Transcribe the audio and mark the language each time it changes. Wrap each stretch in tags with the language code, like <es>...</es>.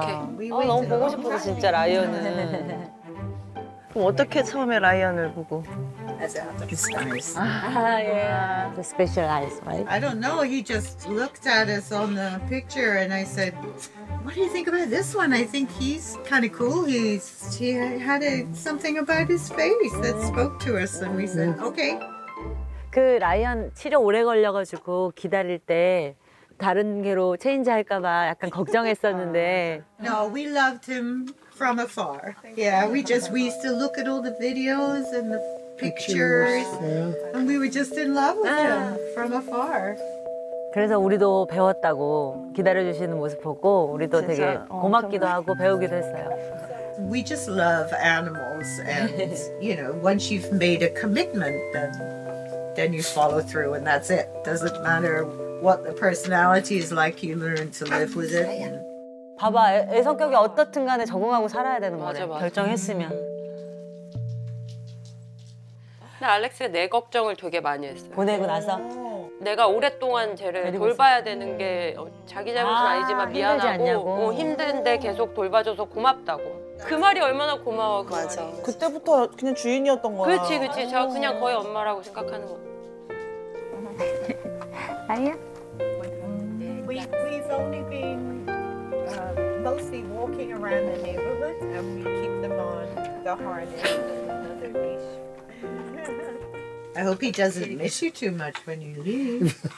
<ko>아, 너무 보고 싶었어, 진짜, 라이언은. 그럼 어떻게 처음에 라이언을 보고?</ko> <en>As his eyes. Ah, yeah. The special eyes, right? I don't know. He just looked at us on the picture and I said, what do you think about this one? I think he's kind of cool. He had something about his face that spoke to us. And we said, okay.</en> <ko>그 라이언 치료 오래 걸려가지고 기다릴 때 다른 개로 체인지 할까 봐 약간 걱정했었는데.</ko> <en>No, we loved him from afar. Yeah, we used to look at all the videos and the pictures, and we were just in love with him from afar.</en> <ko>그래서 우리도 배웠다고 기다려주시는 모습 보고 우리도 되게 고맙기도 하고 배우기도 했어요.</ko> <en>We just love animals, and you know, once you've made a commitment, then you follow through, and that's it. Doesn't matter what the personality is like, you learn to live with it.</en> <ko>봐봐, 애 성격이 어떻든 간에 적응하고 살아야 되는 거래. 결정했으면. 근데 알렉스가 내 걱정을 되게 많이 했어요. 보내고 나서? 내가 오랫동안 쟤를 돌봐야 되는 게 자기 잘못은 아니지만 미안하고 힘든데 계속 돌봐줘서 고맙다고. 그 말이 얼마나 고마워. 맞아. 그때부터 그냥 주인이었던 거야. 그렇지, 그렇지. 저 그냥 거의 엄마라고 생각하는 거. 아니야.</ko> <en>We've only been mostly walking around the neighborhood, and we keep them on the hard end. Another leash. I hope he doesn't miss you too much when you leave.</en>